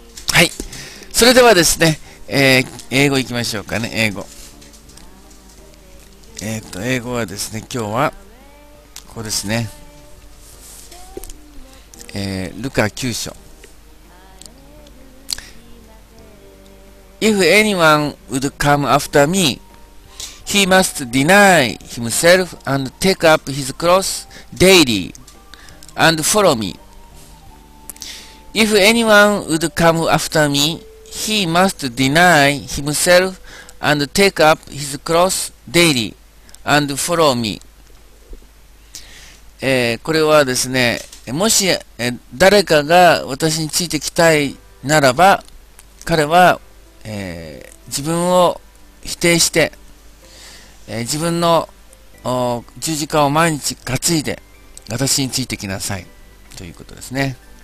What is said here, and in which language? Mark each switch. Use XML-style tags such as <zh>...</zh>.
<ja>はい、それではですね、英語いきましょうかね。英語、英語はですね、今日はここですね、ルカ9章。</ja> <en>If anyone would come after me, he must deny himself and take up his cross daily and follow me. If anyone would come after me, he must deny himself and take up his cross daily and follow me.</en> <ja>これはですね、もし誰かが私についてきたいならば、彼は、自分を否定して、自分の十字架を毎日担いで私についてきなさいということですね。</ja>